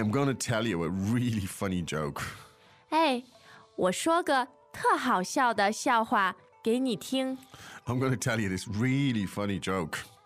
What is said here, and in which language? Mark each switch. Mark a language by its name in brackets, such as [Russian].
[English] I'm going to tell you a really funny joke. [Chinese] 哎，我说个 特好笑的笑话给你听。I'm [English] going to tell you this really funny joke.